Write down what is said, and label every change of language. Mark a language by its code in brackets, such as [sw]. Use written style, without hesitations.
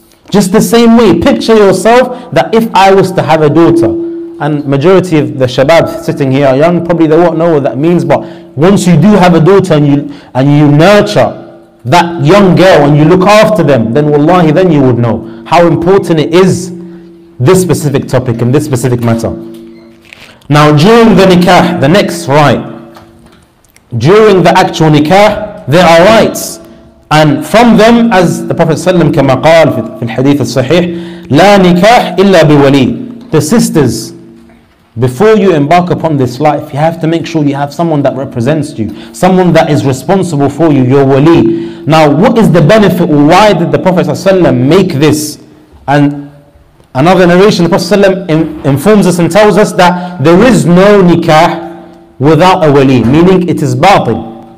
[en] Just the same way, picture yourself that if I was to have a daughter, and majority of the shabab sitting here are young, probably they won't know what that means, but once you do have a daughter and you nurture that young girl and you look after them, then wallahi, then you would know how important it is, this specific topic and this specific matter. Now during the nikah, the next right, during the actual nikah, there are rights. And from them, as the Prophet ﷺ [ar] كما قال في الحديث الصحيح, لا نكاح إلا بولي. [en] The sisters, before you embark upon this life, you have to make sure you have someone that represents you, someone that is responsible for you, your wali. Now, what is the benefit? Why did the Prophet ﷺ make this? And another narration, the Prophet ﷺ informs us and tells us that there is no nikah without a wali, meaning it is batil.